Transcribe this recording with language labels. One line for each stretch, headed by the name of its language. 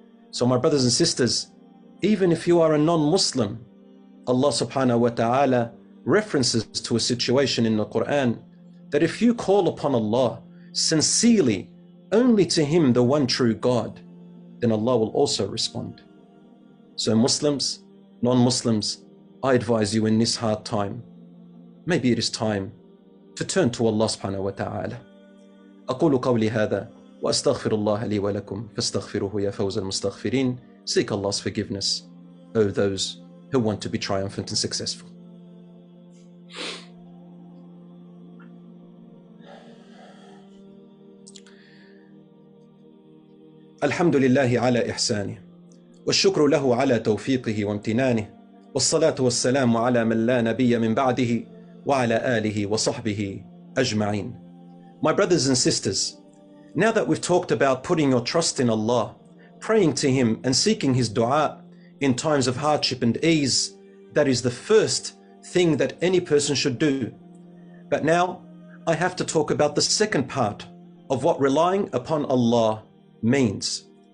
English: So my brothers and sisters, even if you are a non-Muslim, Allah subhanahu wa ta'ala references to a situation in the Quran that if you call upon Allah sincerely, only to him, the one true God, then Allah will also respond. So Muslims, non-Muslims, I advise you in this hard time, maybe it is time to turn to Allah subhanahu wa ta'ala.
Arabic: أقول قولي هذا وأستغفر الله لي ولكم فاستغفروه يا فوز المستغفرين.
English: Seek Allah's forgiveness, O those who want to be triumphant and successful.
Arabic: الحمد لله على إحسانه والشكر له على توفيقه وامتنانه والصلاة والسلام على من لا نبي من بعده وعلى آله وصحبه أجمعين.
English: My brothers and sisters, now that we've talked about putting your trust in Allah, praying to him and seeking his dua in times of hardship and ease, that is the first thing that any person should do. But now I have to talk about the second part of what relying upon Allah means.